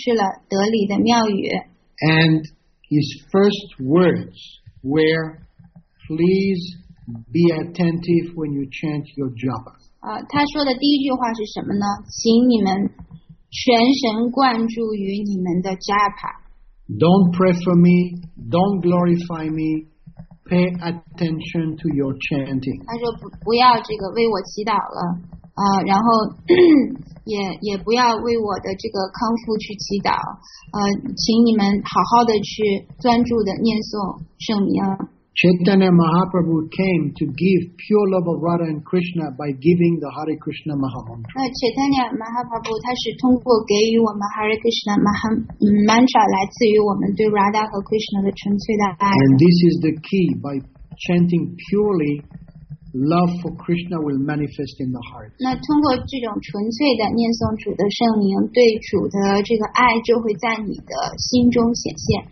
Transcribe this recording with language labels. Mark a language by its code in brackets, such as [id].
[zh] 他从医院里出来，然后直接就去了德里的庙宇。 [en] And his first words were, please be attentive when you chant your japa. [zh] 他说的第一句话是什么呢? 请你们全神贯注于你们的japa. [en] Don't pray for me, don't glorify me, pay attention to your chanting. [zh] 他说不要这个为我祈祷了，然后也不要为我的这个康复去祈祷，请你们好好的去专注的念诵圣名。 [en] Chaitanya Mahaprabhu came to give pure love of Radha and Krishna by giving the Hare Krishna Mahamantra. [zh] Chaitanya Mahaprabhu, 他是通过给予我们 Hare Krishna Mantra 来赐予我们对 Radha 和 Krishna 的纯粹的爱。 [en] And this is the key, by chanting purely, love for Krishna will manifest in the heart. [zh] 那通过这种纯粹的念诵主的圣名, 对主的这个爱就会在你的心中显现。